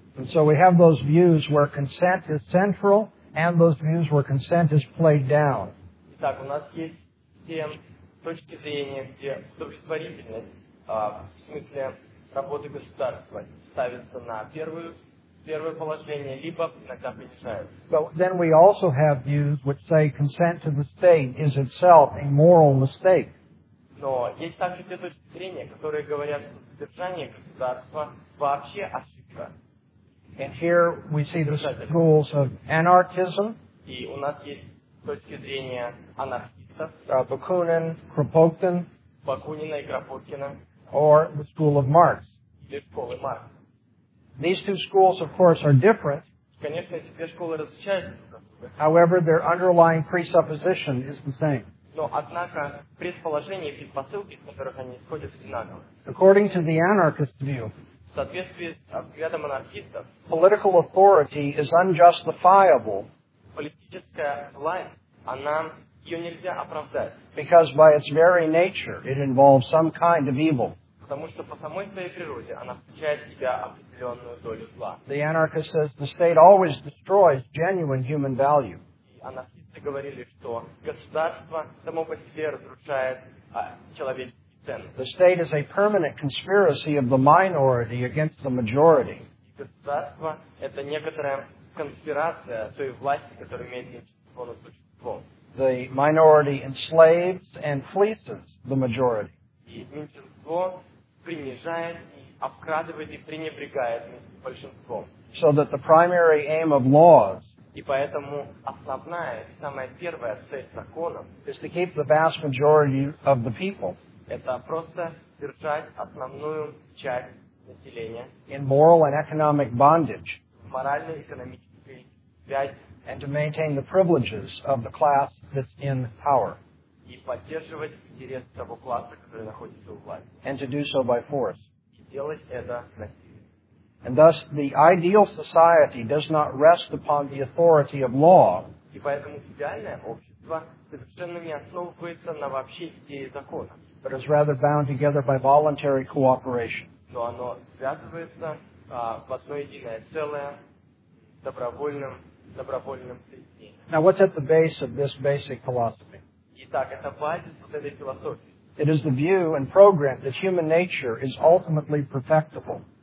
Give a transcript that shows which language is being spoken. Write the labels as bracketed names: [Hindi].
[English] And so we have those views where consent is central, and those views where consent is played down. [Russian] Итак, у нас есть те точки зрения, где удовлетворительность, в смысле работы государства ставится на первое положение, либо иногда принижается. [English] So then we also have views which say consent to the state is itself a moral mistake. [Russian] Но есть также те точки зрения, которые говорят, что содержание государства вообще ошибка. [English] And here we see the schools of anarchism. [Russian] И у нас есть точки зрения анархистов. Бакунин, Кропоткин. Бакунина и Кропоткина. [English] Or the school of Marx. [Russian] Две школы Маркса. [English] These two schools, of course, are different. [Russian] Конечно, эти две школы различаются. [English] However, their underlying presupposition is the same. [Russian] Но, однако, предположения и предпосылки, с которых они исходят, одинаковы. [English] According to the anarchist view, [Russian] в соответствии с взглядом анархистов, [English] political authority is unjustifiable. [Russian] Политическая власть, она... Ее нельзя оправдать. [English] Because by its very nature, it involves some kind of evil. [Russian] Потому что по самой своей природе она включает в себя определенную долю зла. [English] The anarchist says the state always destroys genuine human value. [Russian] Анархист говорили, что государство само по себе разрушает человеческие ценности. [English] The state is a permanent conspiracy of the minority against the majority. [Russian] Государство – это некоторая конспирация той власти, которая имеет меньшинство над большинством. [English] The minority enslaves and fleeces the majority. [Russian] И меньшинство принижает, обкрадывает и пренебрегает большинством. [English] So that the primary aim of laws [Russian] и поэтому основная, самая первая цель закона [English] is to keep the vast majority of the people [Russian] это просто держать основную часть населения [English] in moral and economic bondage [Russian] морально-экономической связи [English] and to maintain the privileges of the class that's in power [Russian] и поддерживать интерес того класса, который находится у власти [English] and to do so by force [Russian] и делать это насильно. [English] And thus, the ideal society does not rest upon the authority of law. [Russian] И поэтому идеальное общество совершенно не основывается на вообще идее закона. [English] But is rather bound together by voluntary cooperation. [Russian] Но оно связывается в одно единое целое добровольным соединением. [English] Now, what's at the base of this basic philosophy? [Russian] Итак, это базис вот этой философии. [English] It is the view and program that human nature is ultimately perfectible.